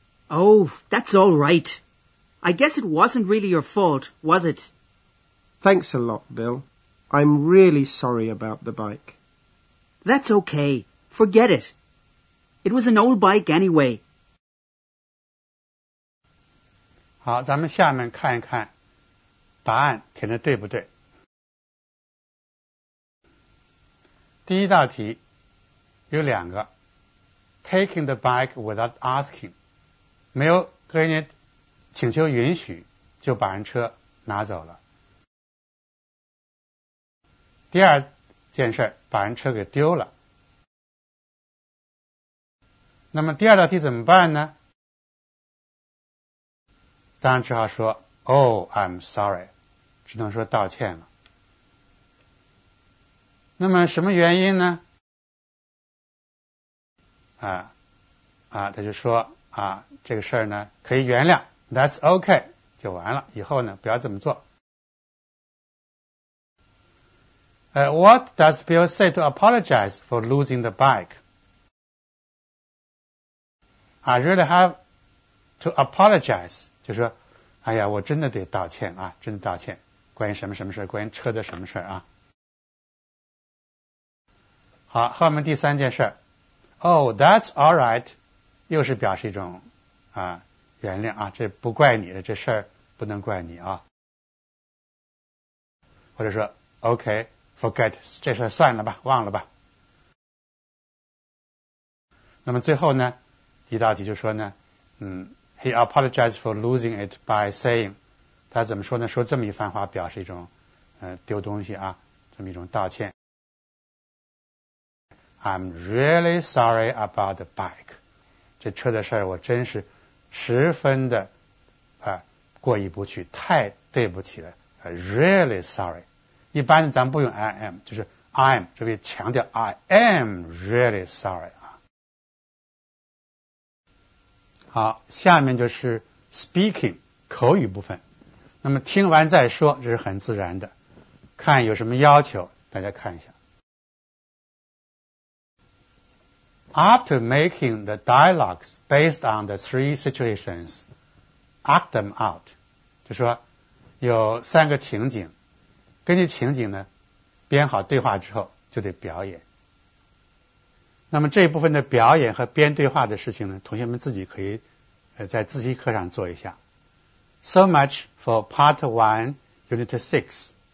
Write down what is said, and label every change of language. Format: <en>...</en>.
<en>Oh, that's all right. I guess it wasn't really your fault, was it? Thanks a lot, Bill. I'm really sorry about the bike. That's okay. Forget it. It was an old bike anyway.</en> <zh>好，咱们下面看一看答案填的对不对。第一道题有两个 ，</zh> <en>taking the bike without asking，</en> <zh>没有跟人家请求允许就把人车拿走了。第二件事把人车给丢了，那么第二道题怎么办呢？当然只好说</zh> <en>Oh, I'm sorry，</en> <zh>只能说道歉了。那么什么原因呢？他就说这个事儿呢可以原谅，</zh> <en>That's okay，</en> <zh>就完了，以后呢不要这么做。</zh> <en>What does Bill say to apologize for losing the bike? I really have to apologize.</en> <zh>就说哎呀我真的得道歉啊，真的道歉，关于什么什么事，关于车的什么事啊。好，后面第三件事</zh> <en>Oh, that's alright.</en> <zh>又是表示一种原谅啊，这不怪你的，这事不能怪你啊。或者说</zh> <en>OK,Forget,</en> <zh>这事算了吧，忘了吧。那么最后呢，一道题就说呢，</zh> <en>He apologized for losing it by saying,</en> <zh>他怎么说呢，说这么一番话表示一种丢东西啊，这么一种道歉。</zh> <en>I'm really sorry about the bike.</en> <zh>这车的事儿我真是十分的过意不去，太对不起了。</zh> <en>Really sorry.</en> <zh>一般咱们不用 I am， 就是 I'm， 这边强调</zh> <en>I am really sorry</en> <zh>啊。好，下面就是 speaking 口语部分，那么听完再说，这是很自然的。看有什么要求，大家看一下。</zh> <en>After making the dialogues based on the three situations, act them out，</en> <zh>就说有三个情景。根据情景呢编好对话之后就得表演，那么这一部分的表演和编对话的事情呢，同学们自己可以在自习课上做一下。</zh> <en>So much for part 1 unit 6</en>